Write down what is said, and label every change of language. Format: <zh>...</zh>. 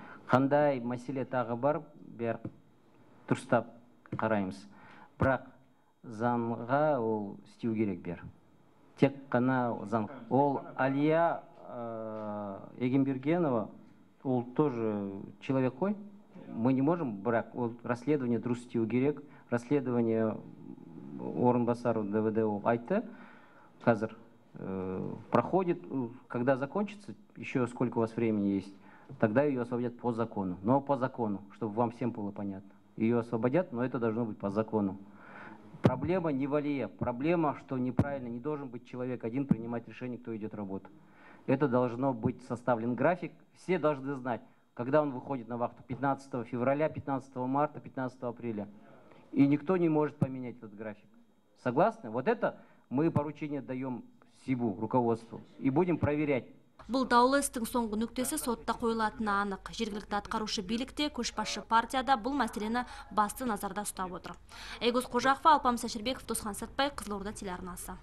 <kk>Қандай мәселе тағы бар, бәрі дұрыстап қараймыз, бірақ заңға ол істеу керек бәрі. Тек қана заң. Ол Алия Егенбергенова, ол</kk> <ru>тоже человек</ru> <kk>қой.</kk> <ru>Мы не можем,</ru> <kk>бірақ ол расследование дұрыс істеу керек. Расследование орынбасары ДВД айтты.</kk> <ru>Қазір проходит, когда закончится, еще сколько у вас времени есть, тогда ее освободят по закону. Но по закону, чтобы вам всем было понятно. Ее освободят, но это должно быть по закону. Проблема не в Алие, проблема, что неправильно, не должен быть человек один принимать решение, кто идет работу. Это должно быть составлен график, все должны знать, когда он выходит на вахту, 15 февраля, 15 марта, 15 апреля. И никто не может поменять этот график. Согласны? Вот это мы поручение даем СИБУ, руководству, и будем проверять.</ru> <kk>Бұл даулы істің соңғы нүктесі сотта қойылатыны анық. Жергілікті атқарушы билікте, көшбасшы партияда бұл мәселені басты назарда ұстап отыр. Айгөз Қожақова, Алпамыс Әшірбеков, Досхан Сәтбай, Қызылорда телеарнасы.</kk>